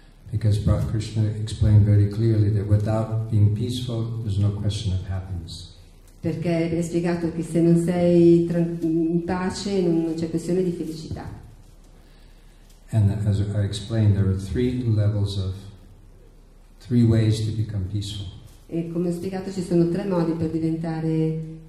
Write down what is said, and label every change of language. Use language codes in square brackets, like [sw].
[en] Because Prabhupada Krishna explained very clearly that without being peaceful, there's no question of happiness. [it] Perché è spiegato che se non sei in pace, non c'è questione di felicità. [en] And as I explained, there are three ways to become peaceful. [it] E come ho spiegato ci sono tre modi per diventare